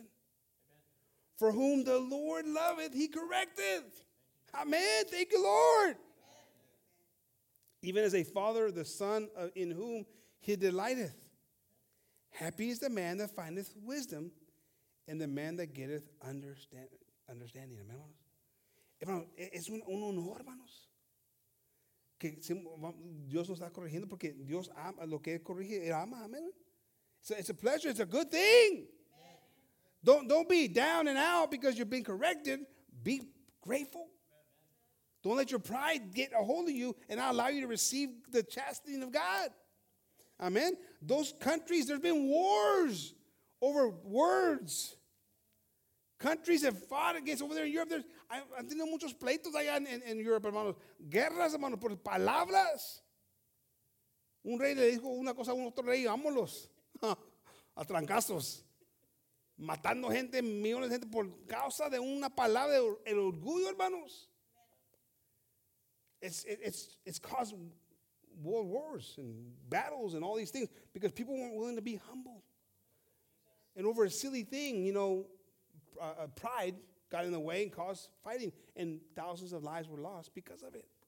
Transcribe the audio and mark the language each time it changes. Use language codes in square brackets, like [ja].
[en] Amen. For whom the Lord loveth, he correcteth. Amen. Thank you, Lord. Amen. Even as a father, the son in whom he delighteth. Happy is the man that findeth wisdom and the man that getteth understanding. [es] Amen, hermanos. Es un honor, hermanos. Que Dios nos está corrigiendo porque Dios ama lo que él corrige, él ama, amen. [en] It's a pleasure, it's a good thing. Amen. Don't be down and out because you've been corrected. Be grateful. Amen. Don't let your pride get a hold of you and not allow you to receive the chastening of God. Amen. Those countries, there's been wars over words. Countries have fought against over there in Europe. [es] Han tenido muchos pleitos allá en Europa, hermanos. Guerras, hermanos, por palabras. Un rey le dijo una cosa a un otro rey, vámonos. A trancazos. Matando gente, millones de gente por causa de una palabra, el orgullo, hermanos. [en] It's caused world wars and battles and all these things because people weren't willing to be humble. And over a silly thing, you know, pride got in the way and caused fighting, and thousands of lives were lost because of it.